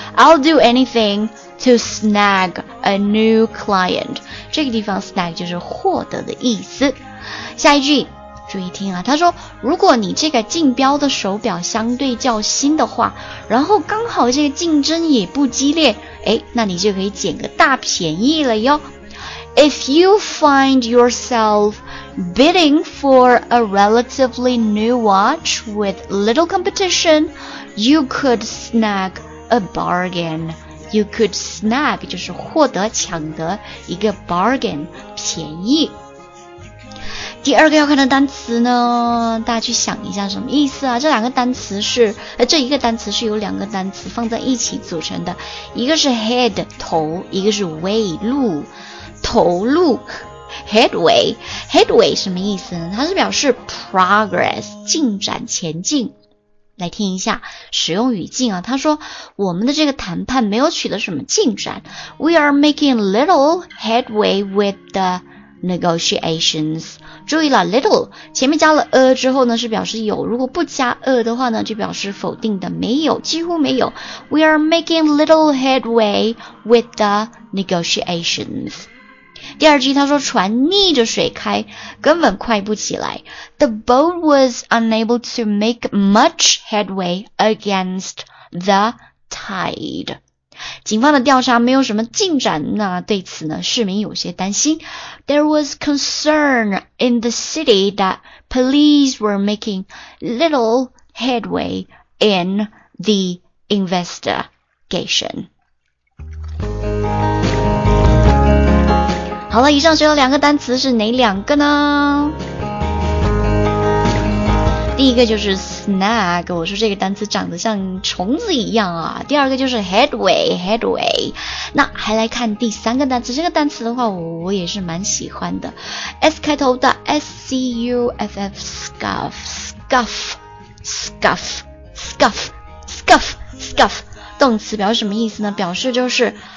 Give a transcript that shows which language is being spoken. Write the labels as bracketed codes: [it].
[en] I'll do anything to snag a new client. [zh] 这个地方 snag 就是获得的意思。下一句，注意听啊，他说，如果你这个竞标的手表相对较新的话，然后刚好这个竞争也不激烈，诶，那你就可以捡个大便宜了哟。 [en] If you find yourself bidding for a relatively new watch with little competition, you could snag a bargain. You could snag [zh] 就是获得、抢得一个 bargain 便宜。第二个要看的单词呢，大家去想一下什么意思啊？这两个单词是，这一个单词是由两个单词放在一起组成的，一个是 head 头，一个是 way 路。头路 headway 什么意思呢？它是表示 progress 进展、前进。来听一下使用语境啊，他说，我们的这个谈判没有取得什么进展。 [en] We are making little headway with the negotiations. [zh] 注意了 little 前面加了之后呢，是表示有，如果不加的话呢，就表示否定的，没有，几乎没有。 [en] We are making little headway with the negotiations. [zh] 第二句他说，船逆着水开，根本快不起来。 [en] The boat was unable to make much headway against the tide. [zh] 警方的调查没有什么进展，那对此呢，市民有些担心。 [en] There was concern in the city that police were making little headway in the investigation. [zh] 好了，以上学了两个单词，是哪两个呢？第一个就是 snag， 我说这个单词长得像虫子一样啊。第二个就是 headway。那还来看第三个单词，这个单词的话我也是蛮喜欢的 ，S 开头的 scuff， 动词表示什么意思呢？表示就是。